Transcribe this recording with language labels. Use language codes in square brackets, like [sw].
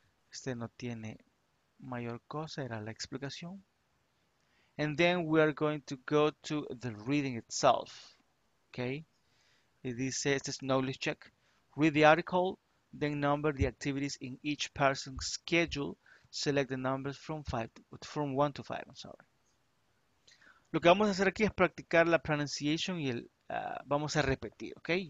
[es] Este no tiene mayor cosa, era la explicación. [en] And then we are going to go to the reading itself. Okay. [es] Y dice, este es [en] knowledge check. Read the article, then number the activities in each person's schedule. Select the numbers from 1 to 5. I'm sorry. [es] Lo que vamos a hacer aquí es practicar la pronunciation y el vamos a repetir, ¿ok?